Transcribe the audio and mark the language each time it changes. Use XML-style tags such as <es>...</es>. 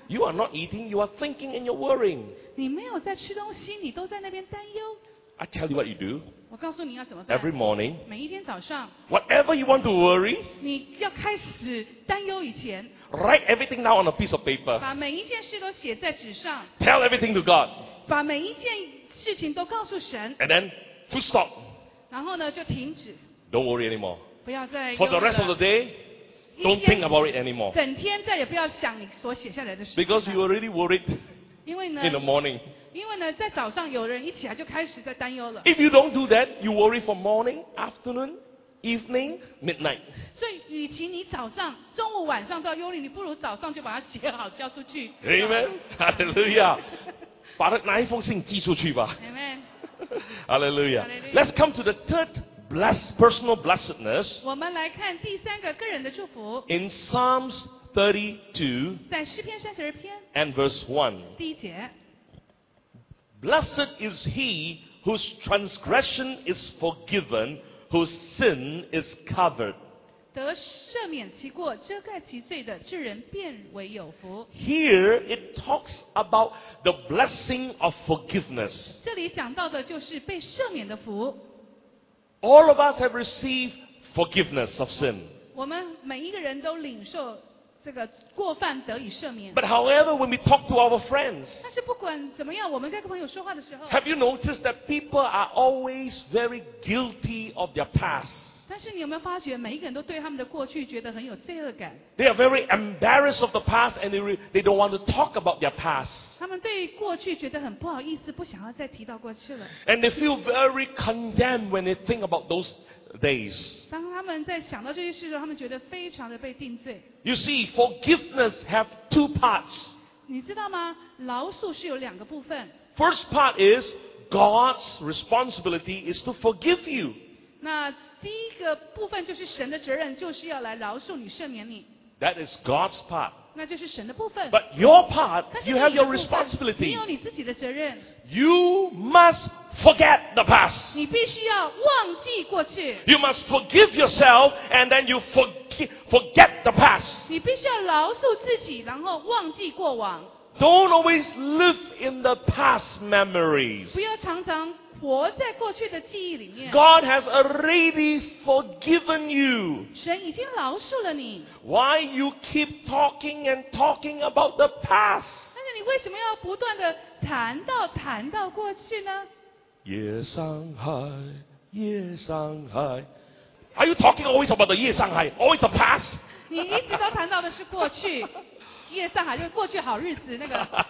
<en>You are not eating you are thinking and you're worrying</en> <zh>你没有在吃东西你都在那边担忧</zh> <en>I tell you what you do</en> <zh>我告诉你要怎么办</zh> <en>Every morning,</en> <zh>每一天早上</zh> <en>whatever you want to worry,</en> <zh>你要开始担忧以前</zh> <en>write everything down on a piece of paper,</en> <zh>把每一件事都写在纸上</zh> <en>tell everything to God,</en> <zh>把每一件事情都告诉神</zh> <en>and then, full stop,</en> <zh>然后呢就停止</zh> <en>don't worry anymore,</en> <zh>不要再忧了</zh> <en>for the rest of the day, Don't think about it anymore.</en> <zh>整天再也不要想你所写下来的事。</zh> <en>Because you were really worried.</en> <zh>因为呢</zh> <en>in the morning.</en> <zh>因为呢在早上有人一起来就开始在担忧了。</zh> <en>If you don't do that, you worry for morning, afternoon, evening, midnight.</en> <zh>所以与其你早上中午晚上都要忧虑，你不如早上就把它写好交出去。</zh> <en>Amen. Hallelujah.</en> <zh>把那一封信寄出去吧。</zh> <en>Amen. Hallelujah. Let's come to the third personal blessedness.</en> <zh>我们来看第三个个人的祝福。</zh> <en>In Psalms 32,</en> <zh>在诗篇三十二篇</zh> <en>and verse 1,</en> <zh>第一节。</zh> <en>Blessed is he whose transgression is forgiven, whose sin is covered.</en> <zh>得赦免其过，遮盖其罪的，这人变为有福。</zh> <en>Here it talks about the blessing of forgiveness.</en> <zh>这里讲到的就是被赦免的福。</zh> <en>All of us have received forgiveness of sin.</en> <zh>我们每一个人都领受这个过犯得以赦免。</zh> <en>But however, when we talk to our friends,</en> <zh>但是不管怎么样，我们跟朋友说话的时候，</zh> <en>Have you noticed that people are always very guilty of their past?</en> <zh>但是你有没有发觉，每一个人都对他们的过去觉得很有罪恶感？</zh> <en>They are very embarrassed of the past, and they don't want to talk about their past.</en> <zh>他们对过去觉得很不好意思，不想要再提到过去了。</zh> <en>And they feel very condemned when they think about those days.</en> <zh>当他们在想到这些事的时候，他们觉得非常的被定罪。</zh> <en>You see, forgiveness has two parts.</en> <zh>你知道吗？饶恕是有两个部分。</zh> <en>First part is God's responsibility is to forgive you.</en> <zh>那第一个部分就是神的责任，就是要来饶恕你、赦免你。</zh> <en>That is God's part.</en> <zh>那就是神的部分。</zh> <en>But your part, you have your responsibility.</en> <zh>你有你自己的责任。</zh> <en>You must forget the past.</en> <zh>你必须要忘记过去。</zh> <en>You must forgive yourself, and then you forget the past.</en> <zh>你必须要饶恕自己，然后忘记过往。</zh> <en>Don't always live in the past memories.</en> <zh>不要常常。活在过去的记忆里面。</zh> <en>God has already forgiven you.</en> <zh>神已经饶恕了你。</zh> <en>Why you keep talking and talking about the past?</en> <zh>但是你为什么要不断的谈到过去呢？夜上海，夜上海。</zh> <en>Are you talking always about the 夜上海 always the past?</en> <zh>你一直都谈到的是过去，夜上海就是过去好日子那个。</zh>